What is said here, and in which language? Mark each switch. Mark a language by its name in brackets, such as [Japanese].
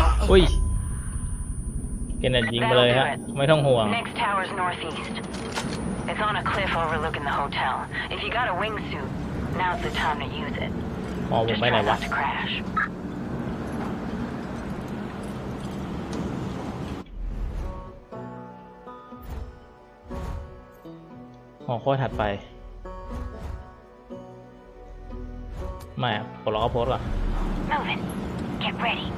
[Thai] อุ้ยเกนยิงไปเลยฮะไม่ต้องห่วง [English] Next tower's northeast. It's on a cliff overlooking the hotel. If you got a wingsuit, now's the time to use it. [Thai] มองไปไหนวะมองข้อถัดไปไม่ปลดล็อกโพสต์หรอ [English] Move it. Get ready.